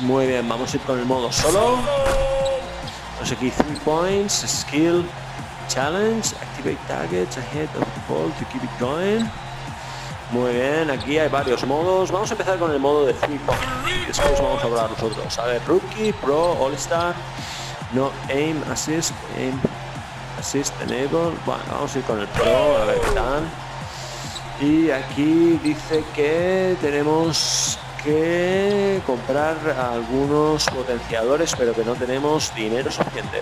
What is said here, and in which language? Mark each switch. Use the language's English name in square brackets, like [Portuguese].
[Spanish] Muy bien, vamos a ir con el modo solo. Vamos aquí, [English] 3 points, skill, challenge, activate targets ahead of the ball to keep it going. [Spanish] Muy bien, aquí hay varios modos. Vamos a empezar con el modo de 3 points. Después vamos a probar nosotros. A ver, [English] rookie, pro, all-star, no aim, assist, aim. Assist enable. [Spanish] Bueno, vamos a ir con el pro, a ver qué tal. Y aquí dice que tenemos que comprar algunos potenciadores, pero que no tenemos dinero suficiente.